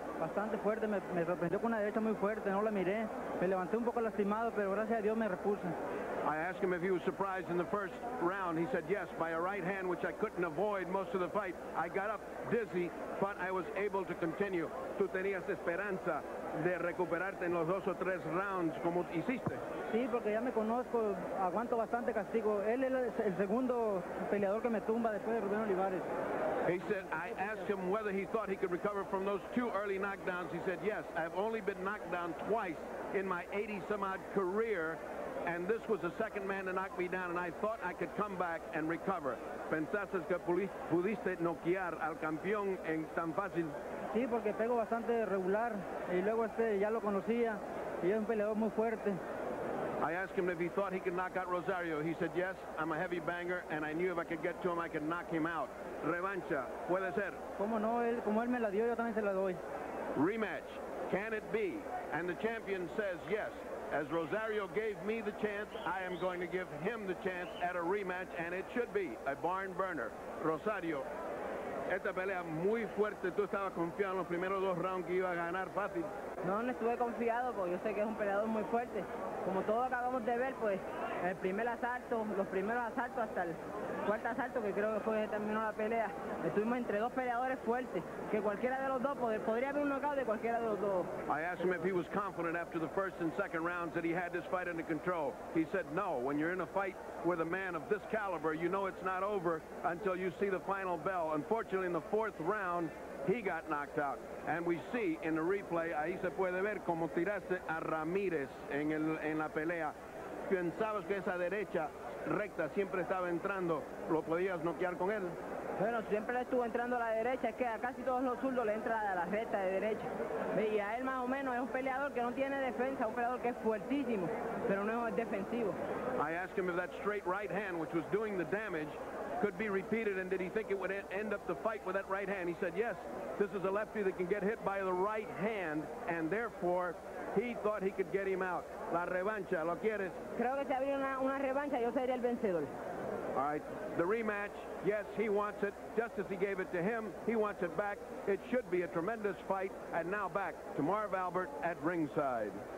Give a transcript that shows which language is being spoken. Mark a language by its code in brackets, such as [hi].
[es] Bastante fuerte, me sorprendió con una derecha muy fuerte, no la miré. Me levanté un poco lastimado, pero gracias a Dios me repuse. [en] I asked him if he was surprised in the first round. He said yes, by a right hand, which I couldn't avoid most of the fight. I got up dizzy, but I was able to continue. [es] ¿Tú tenías esperanza de recuperarte en los dos o tres rounds como hiciste? Sí, porque ya me conozco, aguanto bastante castigo. Él es el segundo peleador que me tumba después de Rubén Olivares. [en] He said, I asked him whether he thought he could recover from those two early knockdowns. He said, yes, I've only been knocked down twice in my 80-some-odd career, and this was the second man to knock me down, and I thought I could come back and recover. [es] ¿Pensaste que pudiste noquear al campeón en tan fácil? Sí, porque pego bastante regular, y luego este ya lo conocía, y es un peleador muy fuerte. [en] I asked him if he thought he could knock out Rosario. He said, yes, I'm a heavy banger, and I knew if I could get to him, I could knock him out. [es] Revancha, puede ser. Como no, él, como él me la dio, yo también se la doy. [en] Rematch, can it be? And the champion says yes. As Rosario gave me the chance, I am going to give him the chance at a rematch, and it should be a barn burner. [es] Rosario, esta pelea muy fuerte. Tú estabas confiado en los primeros dos rounds que iba a ganar fácil. No, no estuve confiado, porque yo sé que es un peleador muy fuerte. Como todos acabamos de ver, pues, el primer asalto, los primeros asaltos hasta el cuarto asalto, que creo que fue que terminó la pelea, estuvimos entre dos peleadores fuertes, que cualquiera de los dos podría haber un knockout de cualquiera de los dos. [en] I asked him if he was confident after the first and second rounds that he had this fight under control. He said no. When you're in a fight with a man of this caliber, you know it's not over until you see the final bell. Unfortunately, in the fourth round, he got knocked out. And we see in the replay, [es] ahí se puede ver cómo tiraste a Ramirez en la pelea. Pensabas que esa derecha recta siempre estaba entrando, lo podías noquear con él. Bueno, siempre le estuvo entrando a la derecha, es que a casi todos los zurdos le entra a la recta de derecha. Y a él más o menos es un peleador que no tiene defensa, un peleador que es fuertísimo, pero no es defensivo. [en] I asked him if that straight right hand, which was doing the damage, could be repeated, and did he think it would end up the fight with that right hand? He said yes. This is a lefty that can get hit by the right hand, and therefore he thought he could get him out. [es] La revancha, ¿lo quieres? Creo que si habría una revancha, yo sería el vencedor. [en] All right, the rematch, yes, he wants it. Just as he gave it to him, he wants it back. It should be a tremendous fight. And now back to Marv Albert at ringside.